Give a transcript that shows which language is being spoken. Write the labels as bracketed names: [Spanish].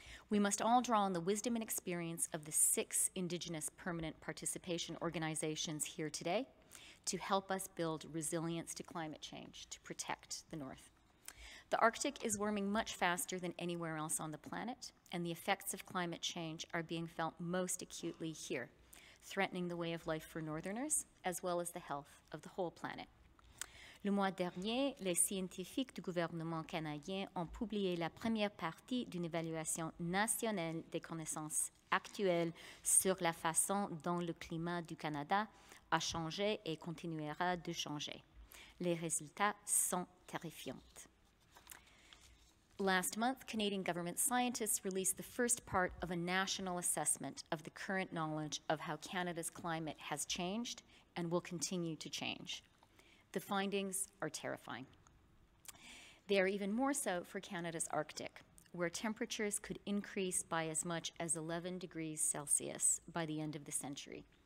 [English] We must all draw on the wisdom and experience of the 6 Indigenous permanent participation organizations here today to help us build resilience to climate change to protect the North. The Arctic is warming much faster than anywhere else on the planet, and the effects of climate change are being felt most acutely here, threatening the way of life for Northerners, as well as the health of the whole planet. [French] Le mois dernier, les scientifiques du gouvernement canadien ont publié la première partie d'une évaluation nationale des connaissances actuelles sur la façon dont le climat du Canada a changé et continuera de changer. Les résultats sont terrifiants. [English] Last month, Canadian government scientists released the first part of a national assessment of the current knowledge of how Canada's climate has changed and will continue to change. The findings are terrifying. They are even more so for Canada's Arctic, where temperatures could increase by as much as 11 degrees Celsius by the end of the century.